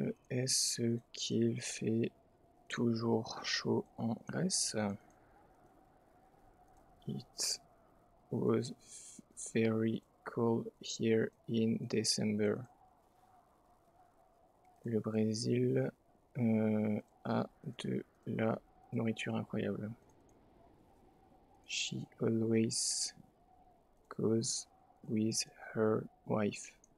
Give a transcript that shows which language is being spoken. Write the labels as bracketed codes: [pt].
[fr] Est-ce qu'il fait toujours chaud en Grèce? [en] It was very cold here in December. [fr] Le Brésil a de la nourriture incroyable. [en] She always goes with her wife.